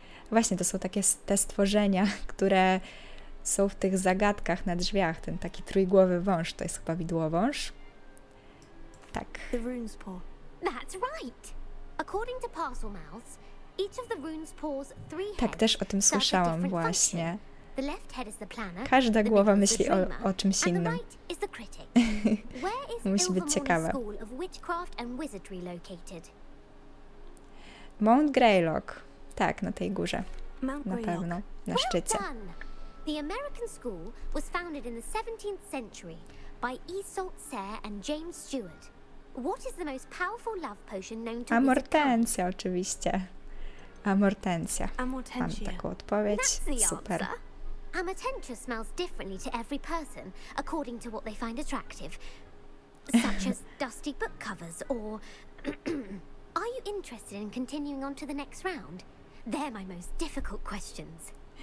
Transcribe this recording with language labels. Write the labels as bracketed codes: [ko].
[pl] Właśnie, to są takie te stworzenia, które są w tych zagadkach na drzwiach. Ten taki trójgłowy wąż, to jest chyba widłowąż. Tak. [en] The rune's paw. That's right. According to parcel mouths, each of the rune's paws three heads. [pl] Tak, też o tym słyszałam właśnie. [en] The left head is the planner. [pl] Każda głowa myśli o czymś innym. [en] And the right is the critic. Where is [pl] musi być ciekawe. [en] School of Witchcraft and Wizardry located? [pl] Mount Greylock. Tak, na tej górze. Na pewno, na [en] well [pl] szczycie. [en] Done. The American school was founded in the 17th century by Iseult Sayre and James Stewart. What is the most powerful love potion known to [pl] Amortensia, oczywiście. Amortensia. Mam taką odpowiedź. Super. [en] Amortentia smells differently to every person, according to what they find attractive. Such as dusty book covers or... Are you interested in continuing on to the next round? They're my most difficult questions.